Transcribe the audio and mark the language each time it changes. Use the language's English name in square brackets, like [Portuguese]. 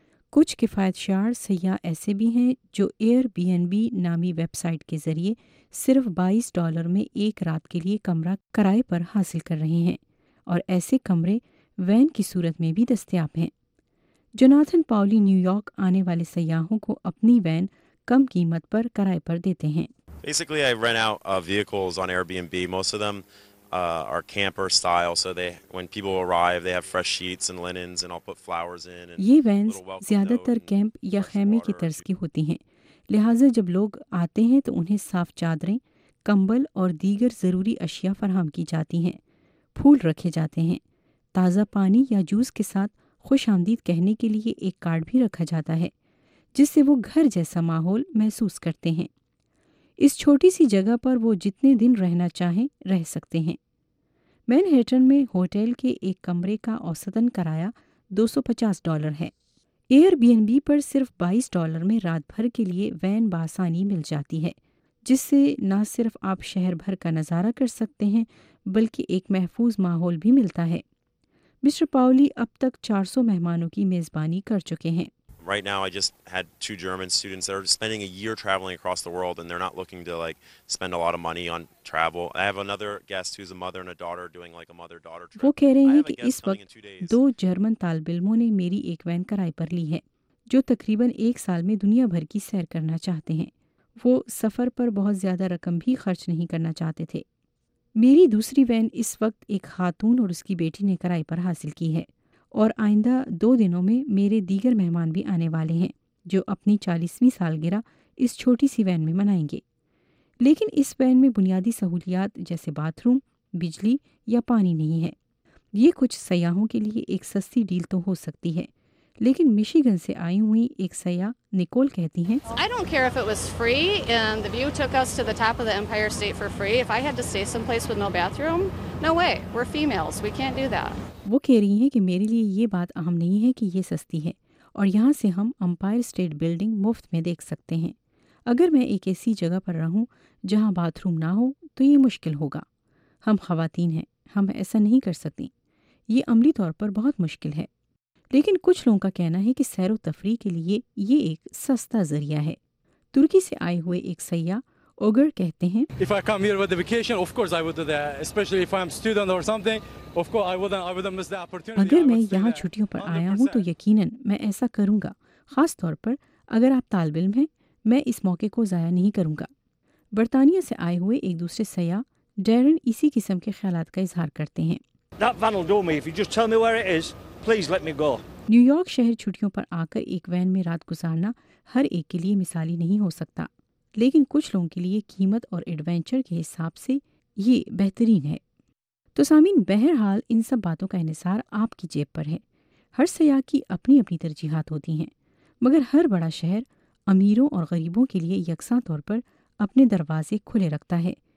[Urdu] کچھ کفایت شعار سیاح ایسے بھی ہیں جو ایئر بی این بی نامی ویب سائٹ کے ذریعے صرف $22 میں ایک رات کے لیے کمرہ کرائے پر حاصل کر رہے ہیں, اور ایسے کمرے وین کی صورت میں بھی دستیاب ہیں. جوناتھن پاولی نیو یارک آنے والے سیاحوں کو اپنی وین کم قیمت پر کرائے پر دیتے ہیں. [English] Basically, I rent out vehicles on Airbnb. Most of them are camper style, so they, when people arrive, they have fresh sheets and linens, and I'll put flowers in. [Urdu] یہ وینز زیادہ تر camp یا خیمے کی طرز کی ہوتی ہیں, لہٰذا جب لوگ آتے ہیں تو انہیں صاف چادریں, کمبل اور دیگر ضروری اشیاء فراہم کی جاتی ہیں, پھول رکھے جاتے ہیں, تازہ پانی یا جوس کے ساتھ خوش آمدید کہنے کے لیے ایک کارڈ بھی رکھا جاتا ہے جس سے وہ گھر جیسا ماحول محسوس کرتے ہیں. اس چھوٹی سی جگہ پر وہ جتنے دن رہنا چاہیں رہ سکتے ہیں. مینہٹن میں ہوٹل کے ایک کمرے کا اوسطاً کرایہ $250 ہے. ایئر بی این بی پر صرف $22 میں رات بھر کے لیے وین بآسانی مل جاتی ہے, جس سے نہ صرف آپ شہر بھر کا نظارہ کر سکتے ہیں بلکہ ایک محفوظ ماحول بھی ملتا ہے. مسٹر پاولی اب تک 400 مہمانوں کی میزبانی کر چکے ہیں. [English] Right now I just had two German students that are spending a year traveling across the world and they're not looking to like spend a lot of money on travel. I have another guest who's a mother and a daughter doing like a mother daughter trip. [Urdu] وہ کہہ رہے ہیں کہ اس وقت دو German طالب علموں نے میری ایک وین کرائے پر لی ہے جو تقریباً ایک سال میں دنیا بھر کی سیر کرنا چاہتے ہیں. وہ سفر پر بہت زیادہ رقم بھی خرچ نہیں کرنا چاہتے تھے. میری دوسری وین اس وقت ایک خاتون اور اس کی بیٹی نے کرائے پر حاصل کی ہے, اور آئندہ دو دنوں میں میرے دیگر مہمان بھی آنے والے ہیں جو اپنی 40th سالگرہ اس چھوٹی سی وین میں منائیں گے. لیکن اس وین میں بنیادی سہولیات جیسے باتھ روم, بجلی یا پانی نہیں ہے. یہ کچھ سیاحوں کے لیے ایک سستی ڈیل تو ہو سکتی ہے, لیکن میشیگن سے آئی ہوئی ایک سیاح نکول کہتی ہیں, [English] I don't care if it was free and the view took us to the top of the Empire State for free. If I had to stay someplace with no bathroom, no way. We're females. We can't do that. [Urdu] وہ کہہ رہی ہیں کہ میرے لیے یہ بات اہم نہیں ہے کہ یہ سستی ہے, اور یہاں سے ہم امپائر اسٹیٹ بلڈنگ مفت میں دیکھ سکتے ہیں. اگر میں ایک ایسی جگہ پر رہوں جہاں باتھ روم نہ ہو تو یہ مشکل ہوگا. ہم خواتین ہیں, ہم ایسا نہیں کر سکتی. یہ عملی طور پر بہت مشکل ہے, لیکن کچھ لوگوں کا کہنا ہے کہ سیر و تفریح کے لیے یہ ایک سستا ذریعہ ہے. ترکی سے آئے ہوئے ایک سیاح اوگر کہتے ہیں, [English] If I come here with the vacation, of course I would do that. Especially if I'm student or something, of course I wouldn't miss the opportunity. [Urdu] اگر میں یہاں چھٹیوں پر آیا ہوں تو یقیناً میں ایسا کروں گا, خاص طور پر اگر آپ طالب علم ہیں. میں اس موقع کو ضائع نہیں کروں گا. برطانیہ سے آئے ہوئے ایک دوسرے سیاح ڈیرن اسی قسم کے خیالات کا اظہار کرتے ہیں. [English] That van will do me. If you just tell me where it is, please let me go. [Urdu] New York شہر چھٹیوں پر آ کر ایک وین میں رات گزارنا ہر ایک کے لیے مثالی نہیں ہو سکتا, لیکن کچھ لوگوں کے لیے قیمت اور ایڈونچر کے حساب سے یہ بہترین ہے. تو سامعین, بہرحال ان سب باتوں کا انحصار آپ کی جیب پر ہے. ہر سیاح کی اپنی اپنی ترجیحات ہوتی ہیں, مگر ہر بڑا شہر امیروں اور غریبوں کے لیے یکساں طور پر اپنے دروازے کھلے رکھتا ہے.